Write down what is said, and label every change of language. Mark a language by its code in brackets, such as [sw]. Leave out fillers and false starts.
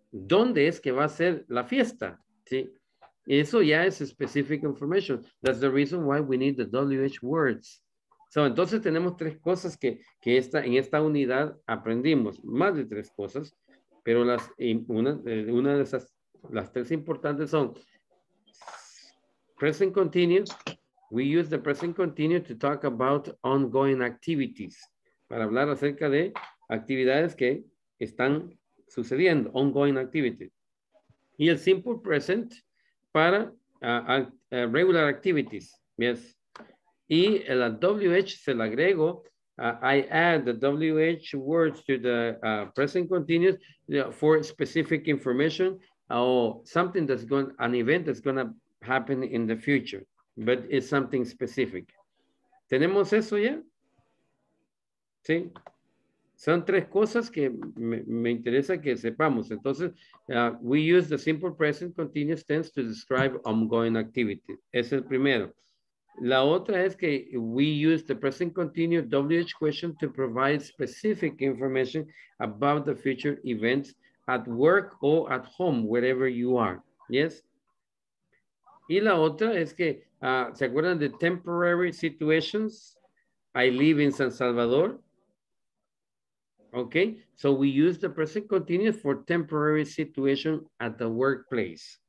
[es] ¿Dónde es que va a ser la fiesta? Sí. Eso ya es [en] specific information. That's the reason why we need the WH words. [es] So, entonces tenemos tres cosas que esta, en esta unidad aprendimos. Más de tres cosas. Pero las, una de esas, las tres importantes son present continuous. [en] We use the present continuous to talk about ongoing activities. [es] Para hablar acerca de actividades que están sucediendo. [en] Ongoing activities. [es] Y el [en] simple present para regular activities. Yes. [es] Y la WH se la agrego. [en] I add the WH words to the present continuous for specific information or something that's going, an event that's going to happen in the future, but it's something specific. [es] ¿Tenemos eso ya? Sí. Son tres cosas que me interesa que sepamos. [en] Entonces, we use the simple present continuous tense to describe ongoing activity. [es] Es el primero. La otra es que [en] we use the present continuous WH question to provide specific information about the future events at work or at home, wherever you are. Yes? [es] Y la otra es que, ¿se acuerdan de temporary situations? [en] I live in San Salvador. Okay? So we use the present continuous for temporary situation at the workplace.